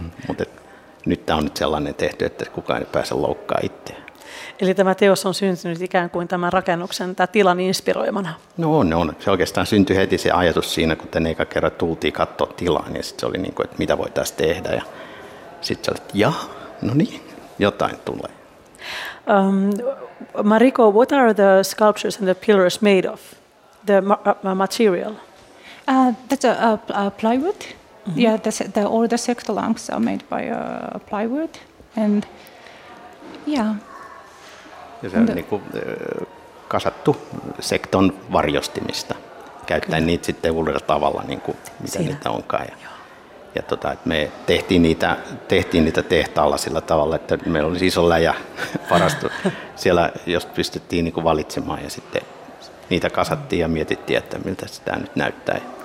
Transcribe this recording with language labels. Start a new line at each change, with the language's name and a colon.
Finnish: Mutta nyt tämä on nyt sellainen tehty, että kukaan ei pääse loukkaamaan itseään. Eli tämä teos on syntynyt ikään kuin tämän rakennuksen, tämän tilan inspiroimana? No on. Se oikeastaan syntyi heti se ajatus siinä, kun tänne eka kerran tultiin katsoa tilaa, niin sitten se oli niin kuin, että mitä voitaisiin tehdä. Ja sitten se oli, että jaa, no niin, jotain tulee.
English: Mariko, what are the sculptures and the pillars made of? The material? That's a plywood. Mm-hmm. Yeah, the all the sector lamps are made by plywood, and yeah.
Finnish: Ja se on niin kuin kasattu sekton varjostimista, käyttäen niitä sitten uudella tavalla, niin kuin mitä niitä onkaan. Ja Ja me tehtiin niitä tehtaalla sillä tavalla, että meillä oli iso läjä varasto siellä, josta pystyttiin niin kuin valitsemaan, ja sitten niitä kasattiin ja mietittiin, että miltä sitä nyt näyttää.